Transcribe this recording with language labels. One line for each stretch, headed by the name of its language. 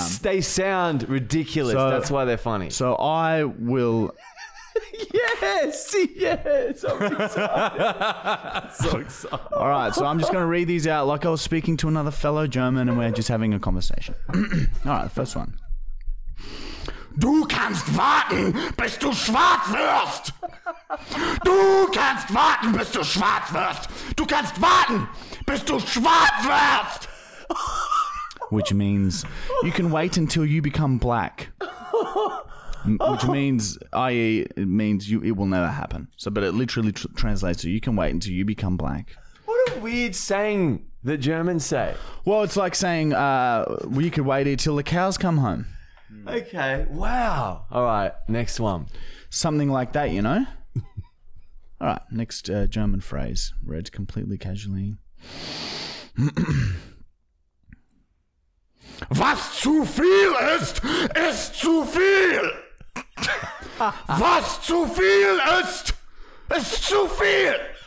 English: They sound ridiculous. So, that's why they're funny. So I will... Yes, yes, I'm excited. I'm so excited. All right, so I'm just going to read these out like I was speaking to another fellow German and we're just having a conversation. All right, first one.
German: Du kannst warten, bis du schwarz wirst. Du kannst warten, bis du schwarz wirst. Du kannst warten, bis du schwarz wirst.
English: Which means you can wait until you become black. Which means, i.e., it means it will never happen. So, but it literally translates to, you can wait until you become black. What a weird saying that Germans say. Well, it's like saying, you could wait here till the cows come home. Okay, wow. All right, next one. Something like that, you know? All right, next German phrase, read completely casually.
German: Was zu viel ist, ist zu viel. Was zu viel ist, ist zu viel.